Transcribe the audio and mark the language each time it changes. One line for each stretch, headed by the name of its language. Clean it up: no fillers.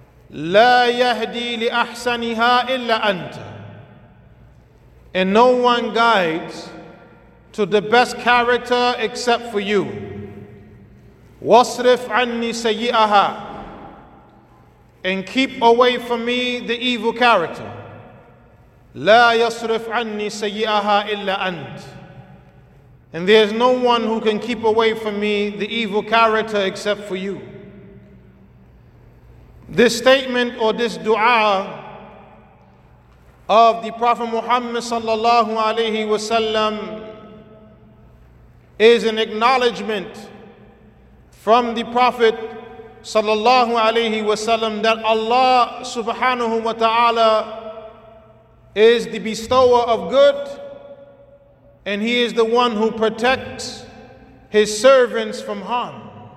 Arabic: لا يهدي لأحسنها إلا أنت.
English: And no one guides to the best character except for you.
Arabic: وصرف عني سيئها.
English: And keep away from me the evil character.
Arabic: لا يصرف عني سيئها إلا أنت.
English: And there is no one who can keep away from me the evil character except for you. This statement or this dua of the Prophet Muhammad sallallahu alayhi wasallam is an acknowledgement from the Prophet sallallahu alayhi wasallam that Allah subhanahu wa ta'ala is the bestower of good, and He is the one who protects His servants from harm.